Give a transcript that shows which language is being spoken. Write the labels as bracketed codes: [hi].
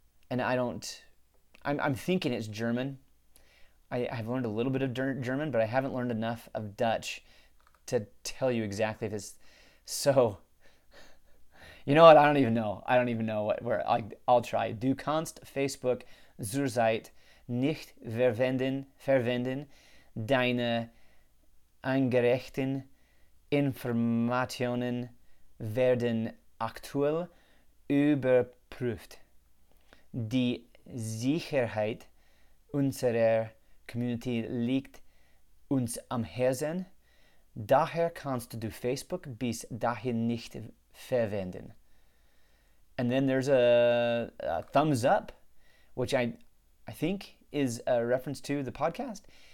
[en] And I'm thinking it's German. I've learned a little bit of German, but I haven't learned enough of Dutch to tell you exactly if it's, so, you know what, I don't even know I'll try. [de] Du kannst Facebook zurzeit nicht verwenden deine eingereichten Informationen werden aktuell überprüft. Die Sicherheit unserer Community liegt uns am Herzen. Daher kannst du Facebook bis dahin nicht verwenden. [en] And then there's a thumbs up, which I think is a reference to the podcast.